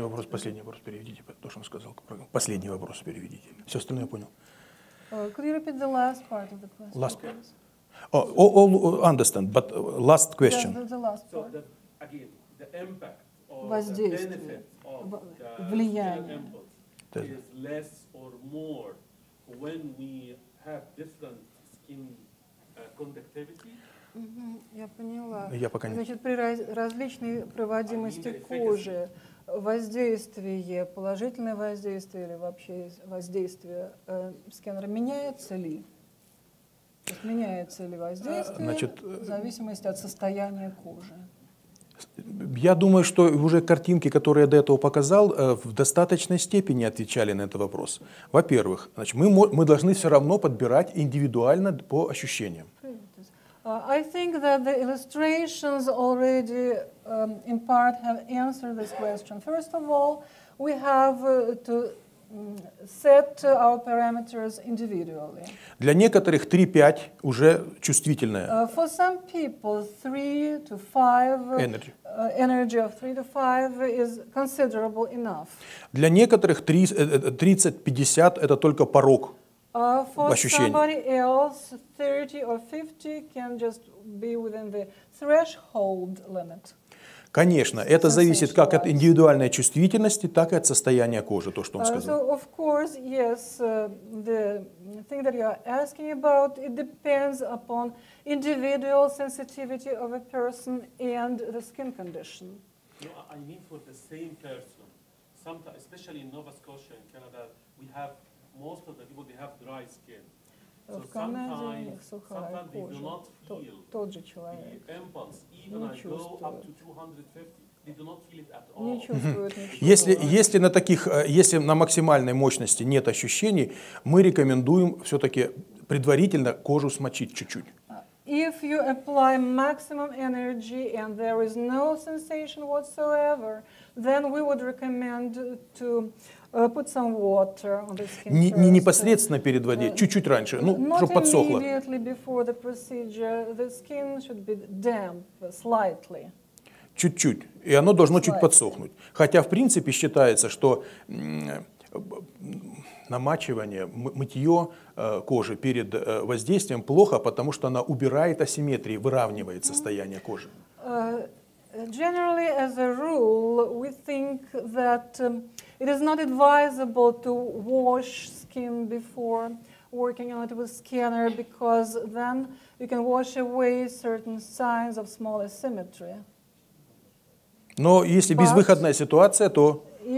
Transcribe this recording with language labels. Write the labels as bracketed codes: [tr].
[ru] Последний вопрос переведите, то, что он сказал. Последний вопрос переведите. Все остальное я понял. [en] Could you repeat the last part of the question? Last part. Okay. Oh, all understand, but last question. The last part. So, again, the impact or the benefit of the impulse is less or more when we have different skin conductivity. [ru] Я поняла. Я пока не... Значит, при различной проводимости кожи воздействие, положительное воздействие или вообще воздействие скеннера меняется ли? Меняется ли воздействие в зависимости от состояния кожи? Я думаю, что уже картинки, которые я до этого показал, в достаточной степени отвечали на этот вопрос. Во-первых, значит, мы должны все равно подбирать индивидуально по ощущениям. [en] I think that the illustrations already in part have answered this question. First of all, we have to set our parameters individually. [ru] Для некоторых 3-5 уже чувствительное. [en] For some people, 3-5 energy. Energy of 3-5 is considerable enough. [ru] Для некоторых 30-50 это только порог. [en] For somebody else, 30 or 50 can just be within the threshold limit. [ru] Конечно, это зависит как от индивидуальной чувствительности, так и от состояния кожи, то, что он сказал. [en] So, of course, yes, the thing that you are asking about, it depends upon individual sensitivity of a person and the skin condition. No, I mean for the same person. Sometimes, especially in Nova Scotia and Canada, we have... Most of the people, they have dry skin. So sometimes they do not feel the impulse, even I go up to 250. [ru] Если на таких, если на максимальной мощности нет ощущений, мы рекомендуем все-таки предварительно кожу смочить чуть-чуть. [en] If you apply maximum energy and there is no sensation whatsoever, then we would recommend to put some water on the skin. [ru] Не непосредственно перед водой, чуть-чуть раньше, ну, чтобы подсохло. [en] Not immediately before the procedure, the skin should be damp slightly. [ru] Чуть-чуть, и оно должно чуть подсохнуть. Хотя, в принципе, считается, что намачивание, мытье кожи перед воздействием плохо, потому что она убирает асимметрии, выравнивает состояние кожи. [en] Generally, as a rule, we think that it is not advisable to wash skin before working on it with scanner, because then you can wash away certain signs of small asymmetry. [ru] Но если безвыходная ситуация, то...